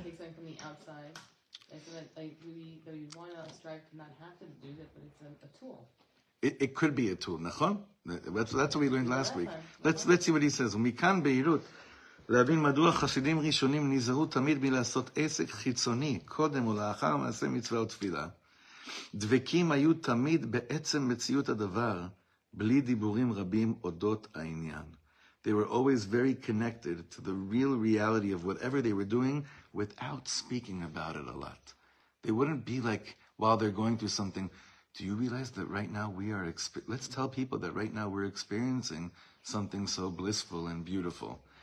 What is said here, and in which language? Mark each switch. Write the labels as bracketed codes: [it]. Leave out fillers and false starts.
[en] Take something from the outside. It's like you want to strive to not have to do that, but it's a tool. It could be a tool. Nachon? That's what we learned last week. Let's see what he says. [he] Mikan beirut. להבין מדוע חסידים ראשונים נזהרו תמיד מלעשות עסק חיצוני קודם ולאחר מעשה מצווה ותפילה. דבקים היו תמיד בעצם מציאות הדבר, בלי דיבורים רבים אודות העניין. [en] They were always very connected to the real reality of whatever they were doing without speaking about it a lot. They wouldn't be like, while they're going through something, do you realize that right now we are, let's tell people that right now we're experiencing something so blissful and beautiful.